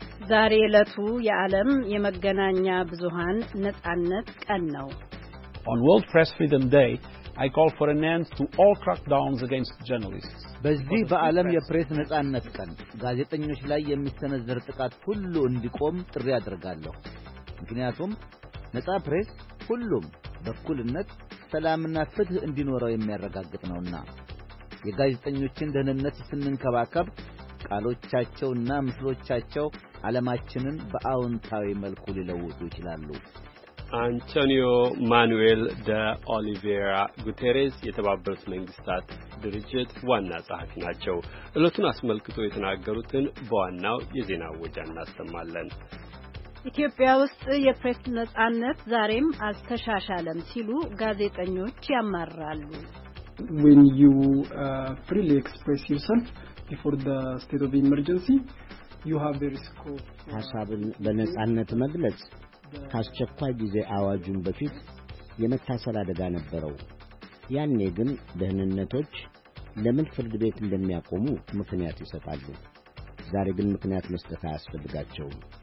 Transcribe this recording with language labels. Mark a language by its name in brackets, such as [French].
[Amharic] ዛሬ ዕለቱ የዓለም የመገናኛ ብዙሃን ነጻነት ቀን ነው። [English] On World Press Freedom Day, I call for an end to all crackdowns against journalists. [Amharic] በዚህ በዓለም የፕሬስ ነጻነት ቀን ጋዜጠኞች ላይ የሚሰነዘር ጥቃት ሁሉ እንዲቆም ጥሪ አደርጋለሁ። ምክንያቱም ነጻ ፕሬስ ሁሉም በእኩልነት ሰላምና ፍትህ እንዲኖረው የሚያረጋግጥ ነውና የጋዜጠኞችን ደህንነት ስንንከባከብ ቃሎቻቸውና ምስሎቻቸው ዓለማችንን በአውንታዊ መልኩ ሊለውጡ ይችላሉ። አንቶኒዮ ማኑኤል ደ ኦሊቬራ ጉቴሬስ የተባበሩት መንግስታት ድርጅት ዋና ጸሐፊ ናቸው። እለቱን አስመልክቶ የተናገሩትን በዋናው የዜና ወጃ እናስተማለን። ኢትዮጵያ ውስጥ የፕሬስ ነጻነት ዛሬም አልተሻሻለም ሲሉ ጋዜጠኞች ያማራሉ። [English] When you freely express yourself before the state of emergency, you have a risk of [Amharic] ሐሳብን በነጻነት መግለጽ ካስቸኳይ ጊዜ አዋጁን በፊት የመታሰር አደጋ ነበረው። ያኔ ግን ደህንነቶች ለምን ፍርድ ቤት እንደሚያቆሙ ምክንያት ይሰጣሉ። ዛሬ ግን ምክንያት መስጠት አያስፈልጋቸውም።